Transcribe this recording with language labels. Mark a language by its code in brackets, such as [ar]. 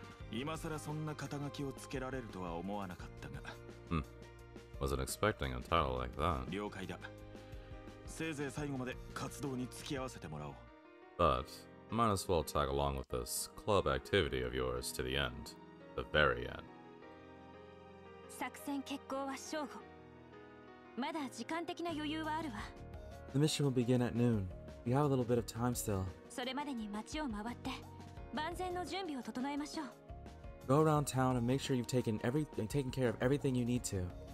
[ja] 今更そんな肩書きをつけられるとは思わなかったが。 [en] Wasn't expecting a title like that. [ja] 了解だ。せいぜい最後まで活動に付き合わせてもらおう。 [en] But, might as well tag along with this club activity of yours to the end. The very end. [ja] 作戦決行は正午。まだ時間的な余裕はあるわ。 [en] The mission will begin at noon. We have a little bit of time still. [ja] それまでに街を回って、万全の準備を整えましょう。 [en] Go around town and make sure you've taken care of everything you need to.